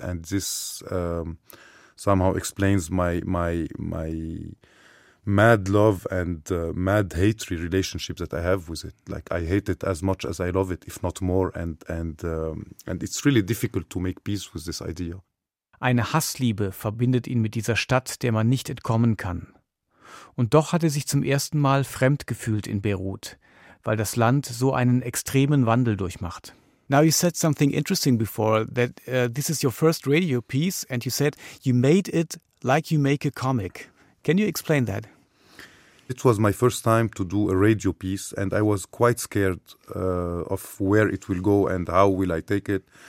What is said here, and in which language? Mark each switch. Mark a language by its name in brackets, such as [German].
[English] And this somehow explains my mad love and mad hatred relationship that I have with it. Like, I hate it as much as I love it, if not more. And it's really difficult to make peace with this idea. [German] Eine Hassliebe verbindet ihn mit dieser Stadt, der man nicht entkommen kann. Und doch hat er sich zum ersten Mal fremd gefühlt in Beirut, weil das Land so einen extremen Wandel durchmacht. [English] Now you said something interesting before, that this is your first radio piece and you said you made it like you make a comic. Can you explain that? It was my first time to do a radio piece and I was quite scared of where it will go and how will I take it.